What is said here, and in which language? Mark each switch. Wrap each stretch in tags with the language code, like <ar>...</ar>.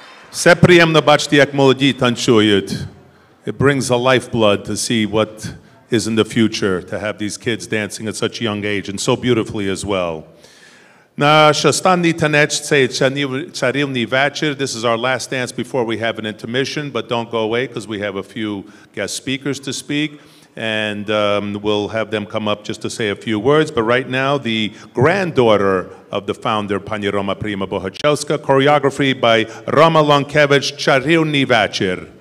<uk>Все приємно бачити, як молоді танцюють.</uk> <en>It brings a lifeblood to see what is in the future, to have these kids dancing at such a young age and so beautifully as well.</en> <uk>Наш останній танець – це царівний вечір.</uk> <en>This is our last dance before we have an intermission, but don't go away because we have a few guest speakers to speak. And we'll have them come up just to say a few words. But right now, the granddaughter of the founder, Pani Roma Prima Bohachelska, choreography by Roma Lonkevich, Charivni Vachir.</en>